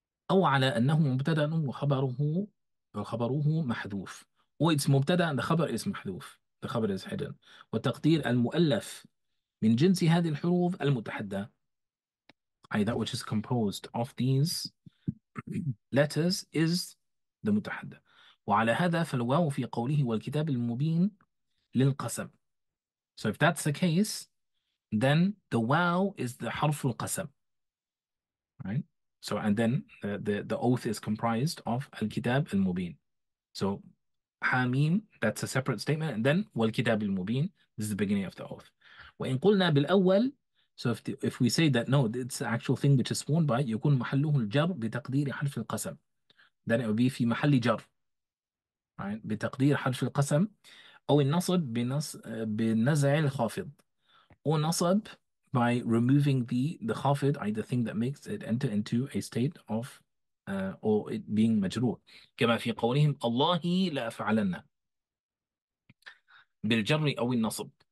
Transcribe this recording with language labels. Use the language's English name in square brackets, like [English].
[Arabic] أو على أنه مبتدأ وخبره محذوف. [English] Or it's مبتدأ and the خبر is محذوف. The khabar is hidden. [Arabic] وتقدير المؤلف من جنس هذه الحروف المتحدى. [English] أي that which is composed of these letters is the متحدى. [Arabic] وعلى هذا فالواو في قوله والكتاب المبين للقسم. [English] So if that's the case, then the waw is the حرف القسم. Right? So and then the oath is comprised of الكتاب المبين. So حاميم, that's a separate statement, and then والكتاب المبين, this is the beginning of the oath. [Arabic] وإن قلنا بالأول, [English] so if we say that no, it's the actual thing which is sworn by, [Arabic] يكون محله الجر بتقدير حرف القسم, [English] then it will be [Arabic] في محل جر, [English] right, [Arabic] بتقدير حرف القسم, أو النصب بنزع الخافض, [English] or نصب by removing the خافض, right, the thing that makes it enter into a state of or it being majrur. [Arabic] كما في قولهم الله لا فعلنا بالجر أو النصب.